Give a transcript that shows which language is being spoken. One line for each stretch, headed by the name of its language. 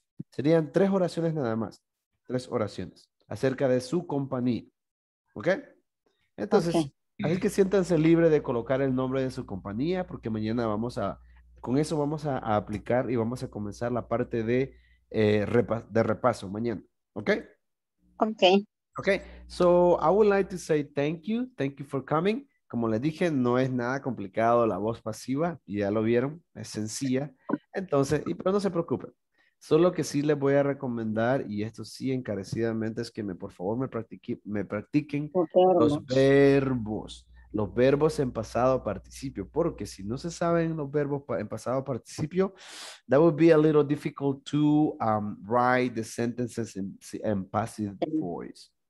Spanish: Serían tres oraciones nada más, tres oraciones, acerca de su compañía, ¿ok? Entonces, okay. Así que siéntanse libre de colocar el nombre de su compañía, porque mañana vamos a, con eso vamos a aplicar y vamos a comenzar la parte de repaso mañana, ¿ok? Ok.
English: Ok, so I would like to say thank you for coming.
Spanish: Como les dije, no es nada complicado la voz pasiva, ya lo vieron, es sencilla. Entonces, pero no se preocupen, solo que sí les voy a recomendar, y esto sí encarecidamente, es que por favor me practiquen los verbos. Los verbos en pasado participio, porque si no se saben los verbos en pasado participio, that would be a little difficult to write the sentences in passive voice.